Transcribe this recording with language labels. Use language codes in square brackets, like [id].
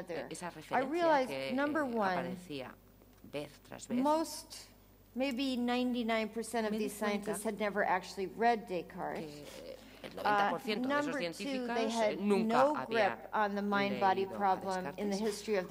[es] esa referencia que aparecía vez tras vez, [en] most, maybe 99% of these scientists had never actually read Descartes. [es] El 90% de esos científicos nunca había leído a Descartes.